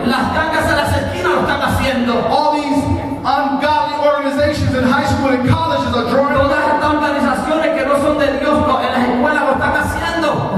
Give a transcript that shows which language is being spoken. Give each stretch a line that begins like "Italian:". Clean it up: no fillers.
Spanish: Las gangas en las esquinas lo están haciendo.
English: All these ungodly organizations in high school and colleges are drawing.
Spanish: Todas estas
English: them.
Spanish: Organizaciones que no son de Dios no, en las escuelas lo están haciendo.